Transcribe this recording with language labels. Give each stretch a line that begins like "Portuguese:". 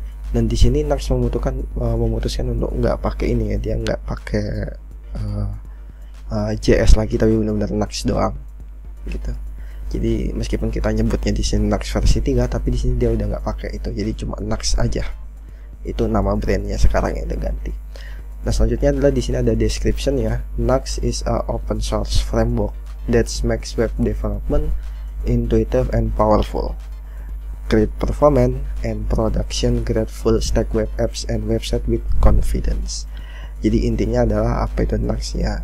Indonesian: Dan di sini Nax memutuskan untuk nggak pakai ini ya, dia nggak pakai JS lagi, tapi benar-benar Nax doang gitu. Jadi meskipun kita nyebutnya di sini Nax versi 3, tapi di sini dia udah nggak pakai itu. Jadi cuma Nax aja. Itu nama brandnya sekarang yang diganti. Nah, selanjutnya adalah di sini ada description ya.
English: Nax is a open source framework that makes web development intuitive and powerful. Create performant and production grade full stack web apps and website with confidence.
Indonesian: Jadi intinya adalah apa itu Nax ya?